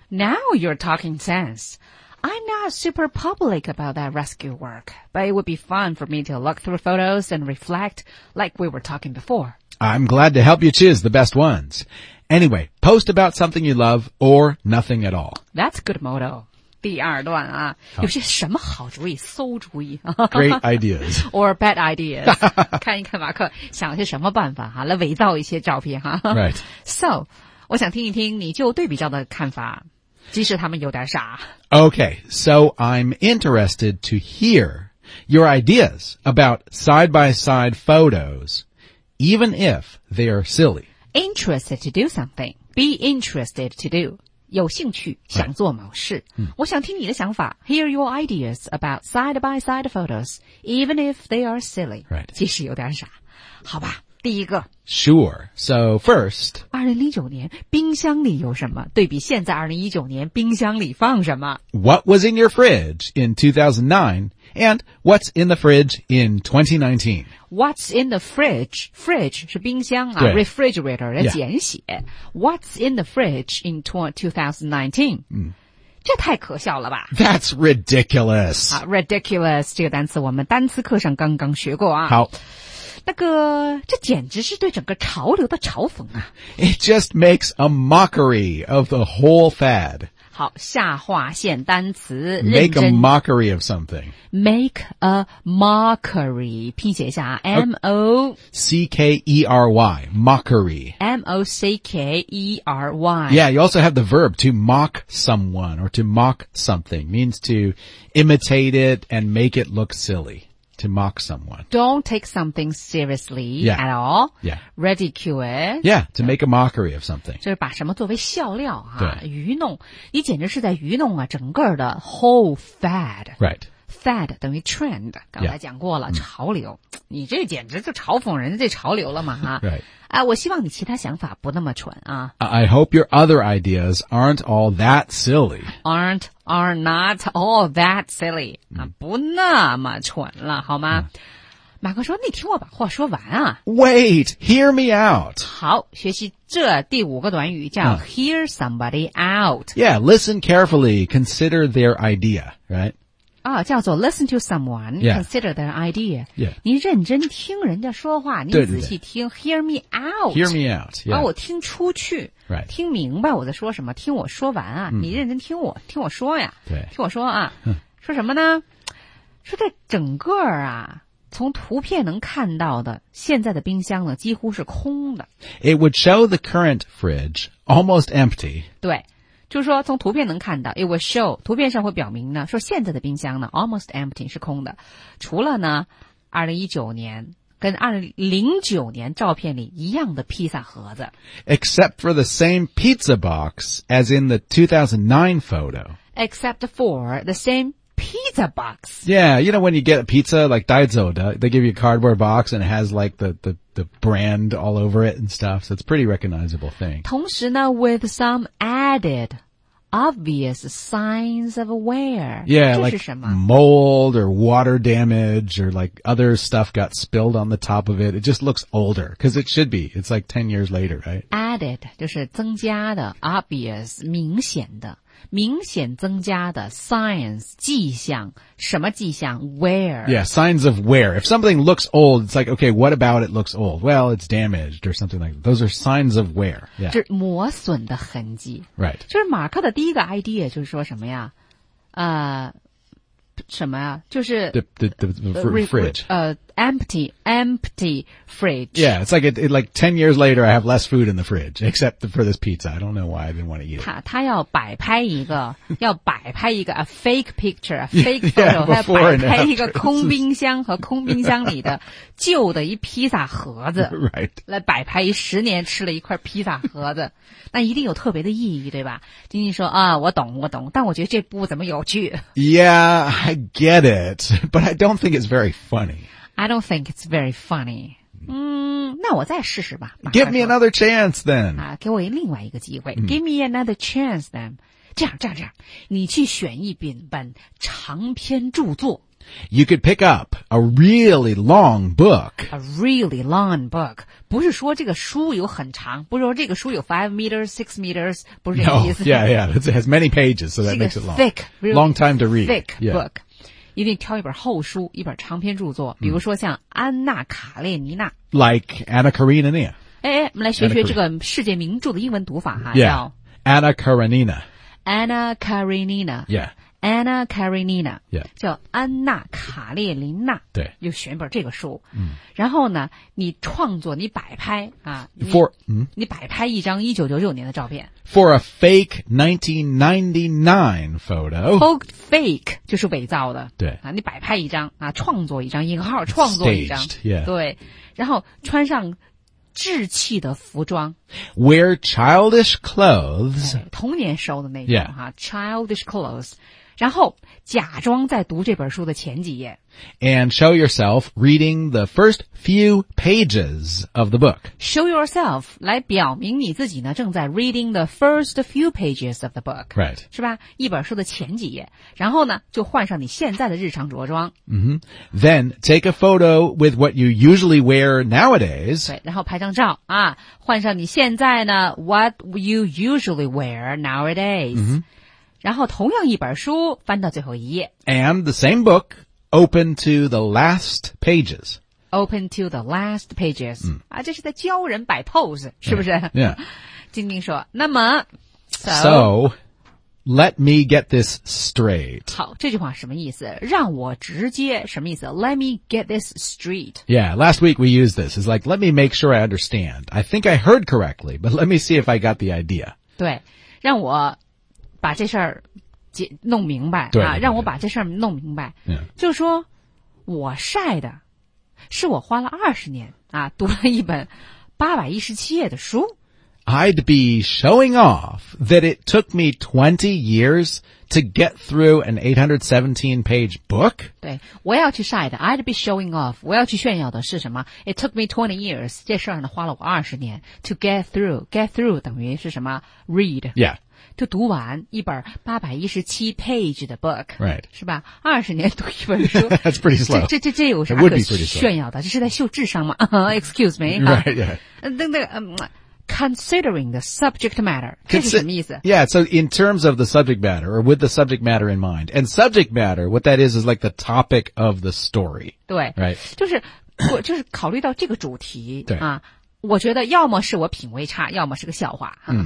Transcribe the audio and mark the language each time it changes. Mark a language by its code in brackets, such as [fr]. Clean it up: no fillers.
[en] Now you're talking sense. I'm not super public about that rescue work, but it would be fun for me to look through photos and reflect like we were talking before. I'm glad to help you choose the best ones. Anyway, post about something you love or nothing at all. That's good motto. [zh] 第二段啊、有些什么好主意馊主意 [en] Great ideas. Or bad ideas. [zh] 看一看马克想些什么办法哈来伪造一些照片哈 [en] Right. [zh] So,我想听一听你就对比较的看法即使他们有点傻 [en] Okay, so I'm interested to hear your ideas about side-by-side photos even if they are silly Interested to do something Be interested to do [zh] 有兴趣想做某事、我想听你的想法 [en] Hear your ideas about side-by-side photos even if they are silly、 right. [zh] 即使有点傻好吧第一个 [en] Sure. So first, [zh] 2019年冰箱里有什么对比现在2019年冰箱里放什么 [en] What was in your fridge in 2009 and what's in the fridge in 2019? What's in the fridge? Fridge [zh] 是冰箱啊 [en] refrigerator [zh] 的简写、 [en] yeah. What's in the fridge in 2019?、 [zh] 这太可笑了吧 [en] That's ridiculous.、 [zh] ridiculous 这个单词我们单词课上刚刚学过啊。好那个这简直是对整个潮流的嘲讽啊 [en] It just makes a mockery of the whole fad [zh] 好下划线单词 [en] Make a mockery of something Make a mockery [zh] 拼写一下 [en] M-O-C-K-E-R-Y Mockery M-O-C-K-E-R-Y Yeah you also have the verb to mock someone or to mock something means to imitate it and make it look silly to mock someone. Don't take something seriously at all. Yeah. Ridicule. Yeah, to make a mockery of something. [zh] 就是把什么作为笑料啊，愚弄。你简直是在愚弄啊，整个的 [en] whole fad. Right. [zh] Fad 等于 trend, 刚才讲过了 [en] yeah, [zh] 潮流。你这简直就嘲讽人家这潮流了嘛哈。 [en] Right. [zh] 我希望你其他想法不那么蠢啊。 [en] I hope your other ideas aren't all that silly. Are not all that silly.、 [zh] 啊、不那么蠢了好吗、马克说你听我把话说完啊。 [en] Wait, hear me out. [zh] 好学习这第五个短语叫、 [en] hear somebody out. Yeah, listen carefully, consider their idea, right? Oh, [zh] 叫做 [en] listen to someone, consider their idea. Yeah. [zh] 你认真听人家说话你仔细听 [en] hear me out. Hear me out, yeah. [zh] 把我听出去、 [en] right. [zh] 听明白我在说什么听我说完啊、你认真听我听我说呀对听我说啊、说什么呢说在整个啊从图片能看到的现在的冰箱呢几乎是空的。 [en] It would show the current fridge almost empty. [zh] 对。就是说从图片能看到 [en] it will show, [zh] 图片上会表明呢说现在的冰箱呢 [en] almost empty [zh] 是空的。除了呢 ,2019 年跟2009年照片里一样的披萨盒子。 [en] Except for the same pizza box as in the 2009 photo. Except for the same pizza box. Yeah, you know when you get a pizza like Daiso, they give you a cardboard box and it has like the brand all over it and stuff, so it's a pretty recognizable thing. [zh] 同时呢 [en] with some added obvious signs of wear. Yeah, like mold or water damage or like other stuff got spilled on the top of it. It just looks older because it should be. It's like 10 years later, right? [zh] Added, 就是增加的 obvious, 明显的。明显增加的 signs, 迹象什么迹象 wear. [en] Yeah, signs of wear. If something looks old, it's like, okay, what about it looks old? Well, it's damaged or something like that. Those are signs of wear. Yeah. [zh] 就是磨损的痕迹。 [en] Right. [zh] 就是马克的第一个 idea 就是说什么呀什么呀就是 [en] the fridge. Empty fridge. Yeah, it's like, like 10 years later, I have less food in the fridge, except for this pizza. I don't know why I didn't want to eat it. [zh] 他要摆拍一个要摆拍一个 [en] a fake picture, a fake photo, yeah, [zh] 他要摆拍一个空冰箱和空冰箱里的旧的一披萨盒子 [en] right. [zh] 来摆拍一十年吃了一块披萨盒子那一定有特别的意义对吧晶晶说啊，我懂但我觉得这不怎么有趣 [en] Yeah, I get it, but I don't think it's very funny I don't think it's very funny. [zh] 那我再试试吧。 [en] Give me another chance then. [zh] 啊，给我另外一个机会。 [en] Give me another chance then. [zh] 这样，你去选一本长篇著作。 [en] You could pick up a really long book. [zh] A really long book. 不是说这个书有很长，不是说这个书有 [en] 5 meters, 6 meters, [zh] 不是这个意思。 [en] No, yeah. It has many pages, so that makes it long. Thick, really long time to read. Thick book. [zh] 一定挑一本厚书一本长篇著作比如说像安娜卡列尼娜 [en] Like Anna Karenina [zh] 哎，我们来学学这个世界名著的英文读法、 [en] yeah. [zh] 叫 [en] Anna Karenina Anna Karenina Yeah Anna Karenina Yeah [zh] 叫安娜卡列琳娜对就选一本这个书然后呢你创作你摆拍啊 [en] For, [zh] 你摆拍一张1999年的照片 [en] For a fake 1999 photo [zh] Fake 就是伪造的对、啊、你摆拍一张啊，创作一张引号创作一张 [en] Staged,、yeah. [zh] 对然后穿上稚气的服装 [en] Wear childish clothes [zh] 童年时候的那种、 [en] yeah. [zh] 啊、 [en] Childish clothes [zh] 然后假装在读这本书的前几页 [en] And show yourself reading the first few pages of the book Show yourself [zh] 来表明你自己呢正在 [en] reading the first few pages of the book Right [zh] 是吧一本书的前几页然后呢就换上你现在的日常着装、 [en] mm-hmm. Then take a photo with what you usually wear nowadays [zh] 对然后拍张照啊，换上你现在呢 [en] What you usually wear nowadays、 mm-hmm. [zh] 然后同样一本书翻到最后一页 [en] And the same book open to the last pages Open to the last pages、 [zh] 嗯、啊，这是在教人摆 pose 是不是 [en] yeah, yeah. [zh] 静静说那么 [en] So let me get this straight [zh] 好这句话什么意思让我直接什么意思 [en] Let me get this straight Yeah last week we used this It's like let me make sure I understand I think I heard correctly But let me see if I got the idea [zh] 对让我把这事儿弄明白对对对对啊，让我把这事儿弄明白。 [en] Yeah. [zh] 就是说，我晒的是我花了20年啊读了一本817页的书。 [en] I'd be showing off that it took me 20 years to get through an 817-page book. [zh] 对，我要去晒的。 [en] I'd be showing off. [zh] 我要去炫耀的是什么 ？ [en] It took me 20 years. [zh] 这事儿呢，花了我20年 [en] to get through. [zh] Get through 等于是什么 ？Read. [en] Yeah. To [zh] 读完一本 [en] 817-page 的 book. Right. [zh] 是吧？二十年读一本书。 [en] That's pretty slow. [zh] 这有啥可炫耀的？这是在秀智商吗？ [en] Excuse me. Right. Yeah. Considering the subject matter. [zh] 这是什么意思? [en] Yeah, so in terms of the subject matter, or with the subject matter in mind. And subject matter, what that is like the topic of the story. [zh] 对。 [en] Right. [zh] 就是考虑到这个主题。对。啊，我觉得要么是我品味差，要么是个笑话。